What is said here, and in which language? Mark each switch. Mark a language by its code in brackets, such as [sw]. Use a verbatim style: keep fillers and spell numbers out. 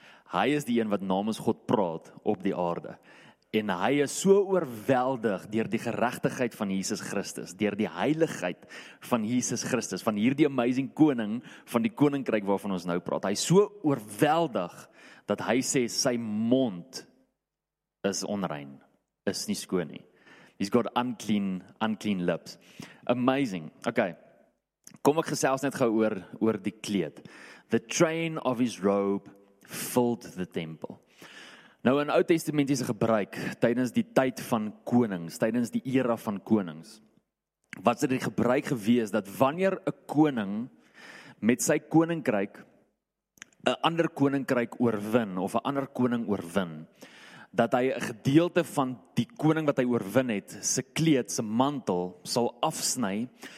[af] Hy is die een wat namens God praat op die aarde. En hy is so oorweldig deur die geregtigheid van Jesus Christus, deur die heiligheid van Jesus Christus, van hierdie amazing koning, van die koninkryk waarvan ons nou praat. Hy is so oorweldig, dat hy sê, sy mond is onrein, is nie skoon nie. [en] He's got unclean, unclean lips. Amazing. [af] Okay, kom ek gesels net gou oor, oor die kleed. [en] The train of his robe filled the temple. [af] Nou in Oud Testamentiese gebruik, tydens die tyd van konings, tydens die era van konings, was dit die gebruik gewees dat wanneer 'n koning met sy koninkryk 'n ander koninkryk oorwin of 'n ander koning oorwin, dat hy 'n gedeelte van die koning wat hy oorwin het, se kleed, se mantel sal afsny